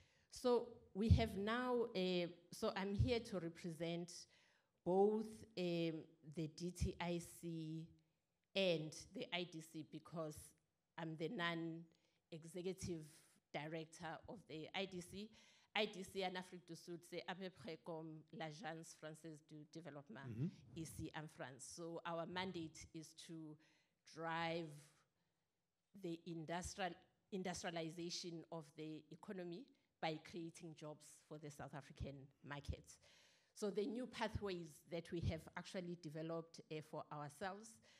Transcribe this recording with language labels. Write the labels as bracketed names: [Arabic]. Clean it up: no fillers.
[English] So we have now, so I'm here to represent both the DTIC and the IDC because I'm the non-executive director of the IDC. [French] IDC en Afrique du Sud, c'est à peu près comme l'Agence française du développement, mm-hmm, ici en France. [English] So our mandate is to drive the industrialization of the economy by creating jobs for the South African market. So the new pathways that we have actually developed for ourselves.